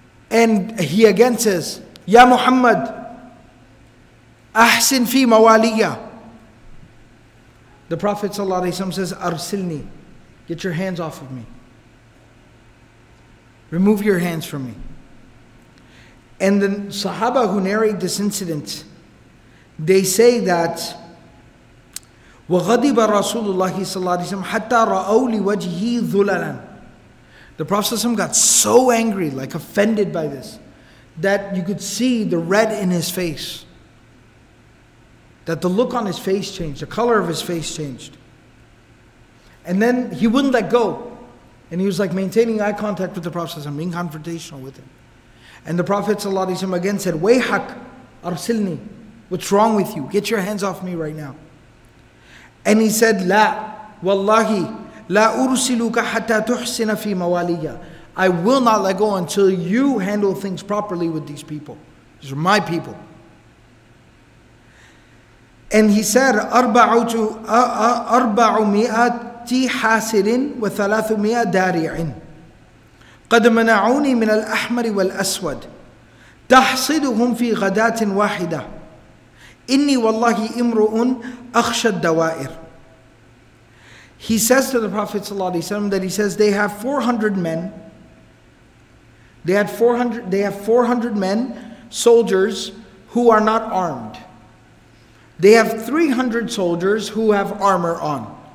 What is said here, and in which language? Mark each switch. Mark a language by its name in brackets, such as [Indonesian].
[English] And he again says, Ya Muhammad, ahsin fi mawaliya. The Prophet says, Arsilni, get your hands off of me. Remove your hands from me. And the Sahaba who narrate this incident, they say that [Arabic] وَغَضِبَ رَسُولُ اللَّهِ صَلَّى اللَّهِ عَلَيْهِ وَسَلَّمَ حَتَّى رَأَوْا لِوَجْهِ ذُلَلًا. [English] The Prophet got so angry, like offended by this, that you could see the red in his face. That the look on his face changed, the color of his face changed. And then he wouldn't let go. And he was like maintaining eye contact with the Prophet, being confrontational with him. And the Prophet again said, Wayhak, arsilni, what's wrong with you? Get your hands off me right now. And he said, La, wallahi, la ursiluka hatta tuhsina fi mawaliya. I will not let go until you handle things properly with these people. These are my people. And he said, Arba'u mi'at. [Arabic] حاسرين وثلاثمائة دارعين قد منعوني من الأحمر والأسود تحصدهم في غداة واحدة إني والله امرؤ أخشى الدوائر. [English] He says to the Prophet صلى الله عليه وسلم that he says they have 400 men. They have 400 men, soldiers who are not armed. They have 300 soldiers who have armor on.